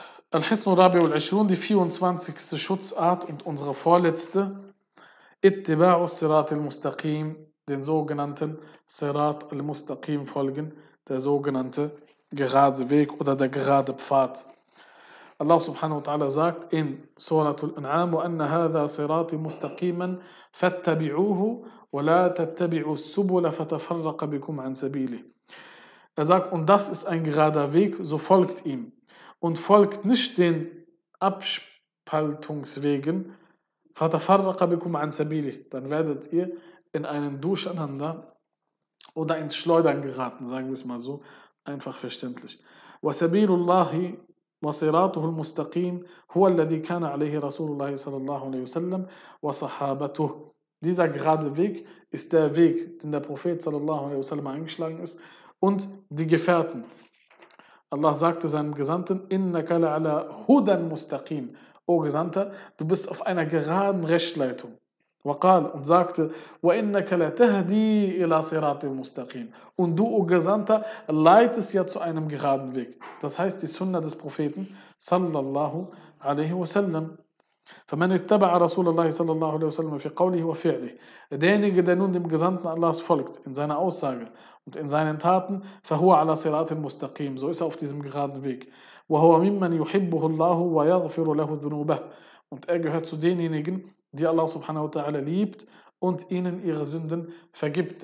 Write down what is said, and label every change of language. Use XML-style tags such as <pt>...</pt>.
<de>Al-Hisnu Rabi al-Ashrun, die 24. Schutzart und unsere vorletzte, Ittiba'u Sirat al-Mustaqim, den sogenannten Sirat al-Mustaqim folgen, der sogenannte gerade Weg oder der gerade Pfad. Allah subhanahu wa ta'ala sagt in Surah Al-An'am,</de> <ar>وَأَنَّ هَذَا صِرَاطِ مُسْتَقِيمًا فَاتَّبِعُوهُ وَلَا تَتَّبِعُوا السُّبُلَ فَتَفَرَّقَ بِكُمْ عَنْ سَبِيلِهِ.</ar> <de>Er sagt, und das ist ein gerader Weg, so folgt ihm. Und folgt nicht den Abspaltungswegen,</de> <ar>فَتَفَرَّقَ بِكُمْ عَنْ سَبِيلِهِ,</ar> <de>dann werdet ihr in einen Durcheinander oder ins Schleudern geraten, sagen wir es mal so, einfach verständlich.</de> <ar>وَسَبِيلُ اللَّهِ وصراطه المستقيم هو الذي كان عليه رسول الله صلى الله عليه وسلم وصحابته.</ar> <de>Dieser gerade Weg ist der Weg, den der Prophet</de> <ar>صلى الله عليه وسلم</ar> <de>eingeschlagen ist und die Gefährten. Allah sagte seinem Gesandten,</de> <ar>إنك لعلى هدى مستقيم.</ar> <de>O Gesandter, du bist auf einer geraden Rechtleitung.</de> <ar>وقال</ar> <de>und sagte,</de> <ar>وإنك لتهدي إلى صراط المستقيم.</ar> <de>Und du, O Gesandter, leitest ja zu einem geraden Weg. Das heißt, die Sunna des Propheten, sallallahu alaihi wasallam.</de> <ar>فمن اتبع رسول الله صلى الله عليه وسلم في قوله وفعله.</ar> <de>Derjenige, der nun dem Gesandten Allahs folgt, in seiner Aussage und in seinen Taten,</de> <ar>فهو على صراط المستقيم.</ar> <de>So ist er auf diesem geraden Weg.</de> <ar>وهو ممن يحبه الله ويغفر له ذنوبه.</ar> <de>Und er gehört zu denjenigen, die Allah subhanahu wa ta'ala liebt und ihnen ihre Sünden vergibt.</de>